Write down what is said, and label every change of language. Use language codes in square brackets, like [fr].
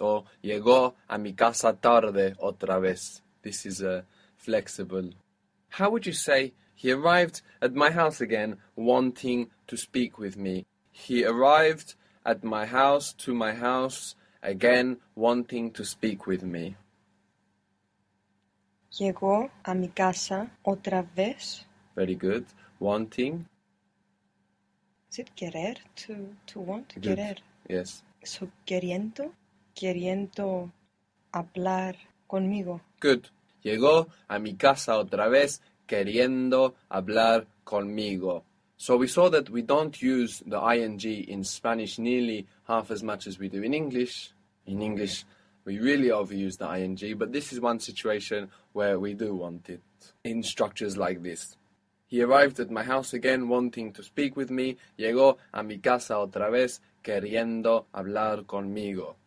[es] Or llegó a mi casa tarde otra vez. [en] This is flexible. How would you say he arrived at my house again wanting to speak with me? He arrived at my house, to my house, again wanting to speak with me. [es] Llegó a mi casa otra vez. [en] Very good. Wanting. Is it querer? To want? Good. Querer. Yes. [es] So, queriendo. Queriendo hablar conmigo. [en] Good. [es] Llegó a mi casa otra vez queriendo hablar conmigo. [en] So, we saw that we don't use the ing in Spanish nearly half as much as we do in English. In English, we really overuse the ing, but this is one situation where we do want it in structures like this. He arrived at my house again wanting to speak with me. [es] Llegó a mi casa otra vez queriendo hablar conmigo.